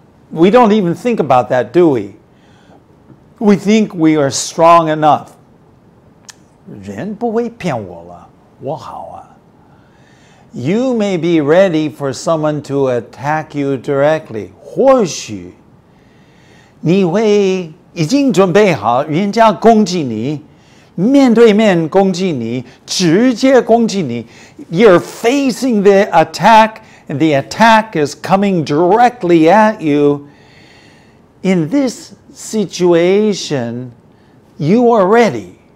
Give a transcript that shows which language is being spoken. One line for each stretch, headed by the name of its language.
English: We don't even think about that, do we? We think we are strong enough.
Chinese: 人不会骗我了，我好啊。
English: You may be ready for someone to attack you directly.
Chinese: 或许你会已经准备好人家攻击你，面对面攻击你，直接攻击你。
English: You're facing the attack, and the attack is coming directly at you. In this situation, you are ready.